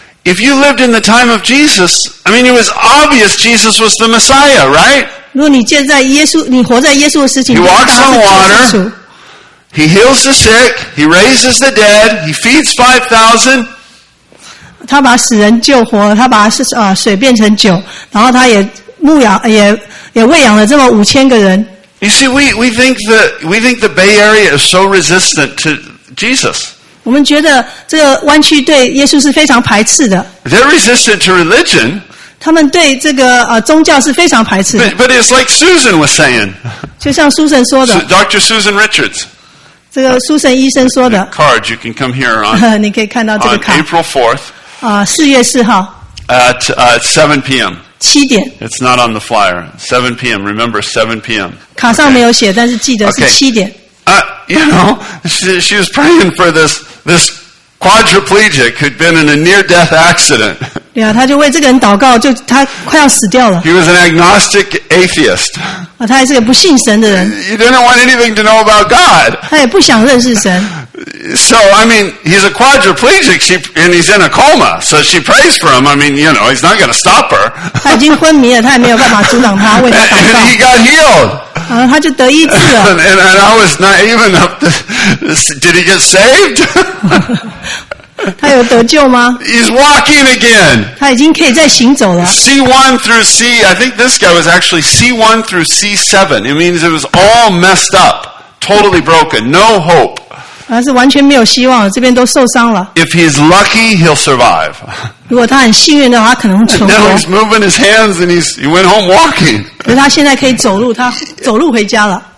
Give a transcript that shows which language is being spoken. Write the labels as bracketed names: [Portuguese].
[English] If you lived in the time of Jesus, I mean, it was obvious Jesus was the Messiah, right? [Chinese] 如果你建在耶稣，你活在耶稣的时期， [English] He walks on water. He heals the sick. He raises the dead. He feeds 5,000. [Chinese] 他把死人救活，他把水变成酒，然后他也喂养了这么5,000个人。 [English] You see, we think the Bay Area is so resistant to Jesus. [Chinese] 我们觉得这个湾区对耶稣是非常排斥的。 [English] They're resistant to religion. [Chinese] 他们对这个宗教是非常排斥的。 [English] But it's like Susan was saying. [Chinese] 就像苏珊说的。 [English] Dr. Susan Richards. [Chinese] 这个苏珊医生说的。 [English] Card, you can come here on. [Chinese] 你可以看到这个卡。 [English] April 4th. [Chinese] 4月4号 [English] At 7 p.m. [Chinese] 7点 [English] It's not on the flyer. 7 p.m. Remember 7 p.m. [Chinese] 卡上没有写，但是记得是7点。 [English] You know, she was praying for this quadriplegic who'd been in a near-death accident. [Chinese] 对啊，他就为这个人祷告，就他快要死掉了。 [English] He was an agnostic atheist. [Chinese] 他还是个不信神的人。 [English] He didn't want anything to know about God. [Chinese] 他也不想认识神。 [English] So, I mean, he's a quadriplegic, and he's in a coma, so she prays for him. I mean, you know, he's not going to stop her. [Chinese] 他已经昏迷了，他也没有办法阻挡他为他祷告。 [English] And he got healed. [Chinese] 他就得医治了。 [English] And I was not even up to... Did he get saved? [Chinese] 他有得救吗? [English] He's walking again. [Chinese] 他已经可以再行走了。 [English] C1 through C... I think this guy was actually C1 through C7. It means it was all messed up. Totally broken. No hope. [Chinese] 他是完全没有希望的，这边都受伤了。 [English] If he's lucky, he'll survive. [Chinese] 如果他很幸运的话，他可能存活。 [English] Now he's moving his hands and he went home walking. [Chinese] 可是他现在可以走路，他走路回家了。